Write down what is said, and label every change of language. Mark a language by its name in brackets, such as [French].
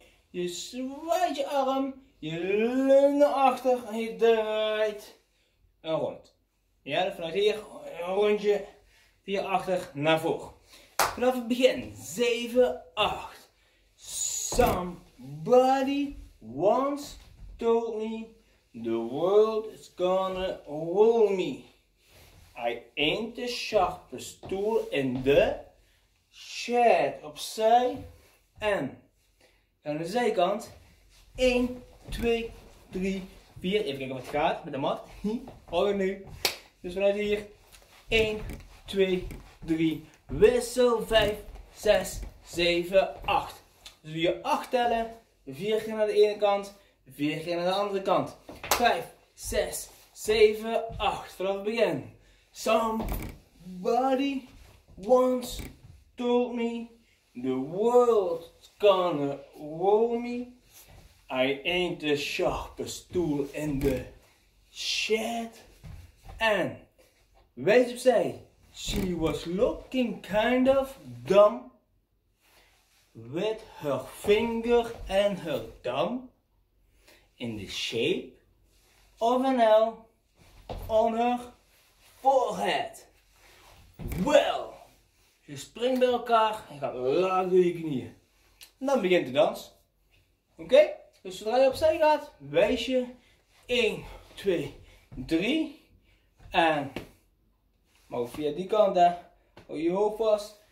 [Dutch] Je zwaait je arm, je leunt naar achter en je draait een rond. Ja, vanuit hier een rondje via achter naar voren. Vanaf het begin 7, 8. [English] Somebody once told me the world is gonna roll me. I ain't the sharpest tool in the shed. [Dutch] Opzij en aan de zijkant 1, 2, 3, 4. Even kijken of het gaat met de mat. Hou nu. Dus vanuit hier 1, 2, 3. Wissel 5, 6, 7, 8. Dus doe je 8 tellen, 4 keer naar de ene kant. 4 keer naar de andere kant. 5, 6, 7, 8. Vanaf het begin. [English] Somebody once told me the world's gonna roll me. I ain't the sharpest tool in the shed. [Dutch] En wees opzij. [English] She was looking kind of dumb with her finger and her thumb. In the shape of an L on her forehead. [Dutch] Well, je springt bij elkaar en gaat laag door je knieën. En dan begint de dans. Oké, okay? Dus zodra je opzij gaat, wijs je 1, 2, 3. En maar via die kant, hè. Hou je hoofd vast.